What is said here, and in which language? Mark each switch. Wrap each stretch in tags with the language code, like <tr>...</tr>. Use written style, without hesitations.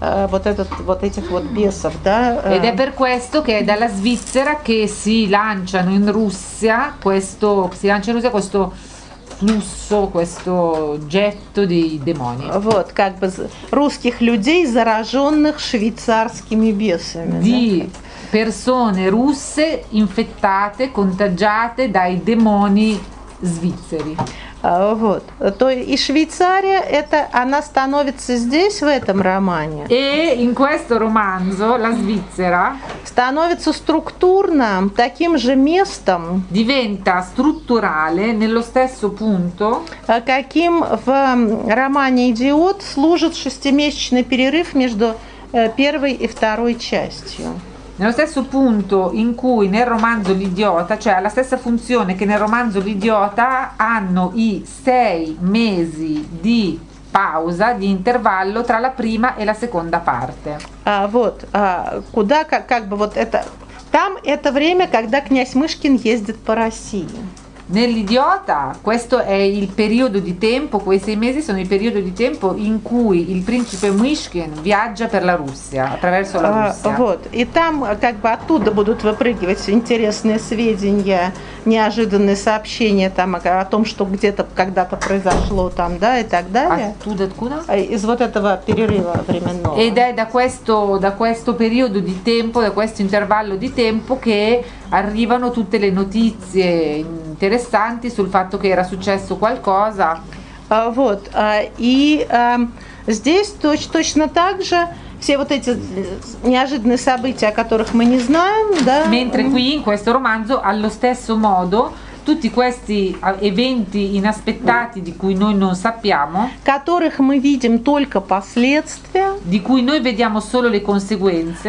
<ru>Вот этот вот этих вот бесов, да?</ru> <it>Ed è per questo che è dalla Svizzera che si lanciano in Russia questo si lancia in Russia questo flusso, questo getto di demoni.</it> <ru>Вот, как бы русских людей, зараженных швейцарскими бесами.</ru> <it>Di persone russe infettate, contagiate dai demoni svizzeri.</it> <ru>Вот. То и Швейцария это она становится здесь в этом романе.</ru> <it>E in questo romanzo la Svizzera</it> <ru>становится структурно таким же местом.</ru> <it>Diventa strutturale nello stesso punto.</it> <ru>Каким в романе «Идиот» служит шестимесячный перерыв между первой и второй частью.</ru> <it>Nello stesso punto in cui nel romanzo L'Idiota, cioè la stessa funzione che nel romanzo L'Idiota, hanno i sei mesi di pausa, di intervallo tra la prima e la seconda parte.</it> <ru>Вот, куда как бы вот это там это время, когда князь Мышкин ездит по России.</ru> <it>Nell'Idiota questo è il periodo di tempo, quei sei mesi sono il periodo di tempo in cui il principe Мышкин viaggia per la Russia, attraverso la Russia.</it> <ru>Вот, и там как бы оттуда будут выпрыгивать интересные сведения, неожиданные сообщения там о том, что где-то когда-то произошло там, да, и так далее. Оттуда откуда? Из вот этого перерыва временного.</ru> <it>Ed è da questo periodo di tempo, da questo intervallo di tempo che arrivano tutte le notizie interessanti sul fatto che era successo qualcosa.</it> <ru>Вот, и здесь точно так же все вот эти неожиданные события, о которых мы не знаем, да?</ru> <it>Mentre qui in questo romanzo allo stesso modo tutti questi eventi inaspettati di cui noi non sappiamo,</it> <ru>которых мы видим только последствия,</ru> <it>di cui noi vediamo solo le conseguenze.</it>